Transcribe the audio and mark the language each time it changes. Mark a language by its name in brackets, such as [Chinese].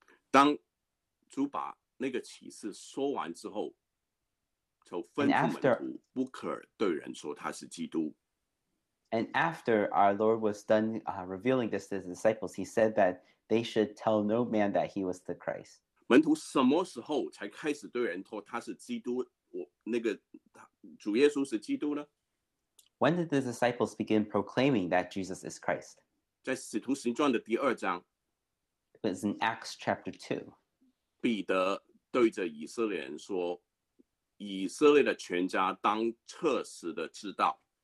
[Chinese] 当主把那个启示说完之后，就吩咐门徒不可对人说他是基督。 [English] And after our Lord was done revealing this to his disciples, he said that they should tell no man that he was the Christ. [Chinese] 门徒什么时候才开始对人说他是基督？主耶稣是基督呢？ [English] When did the disciples begin proclaiming that Jesus is Christ? [Chinese] 在使徒行传的第二章。 [English] It was in Acts chapter 2. [Chinese] 彼得对着以色列人说，以色列的全家当彻实的知道。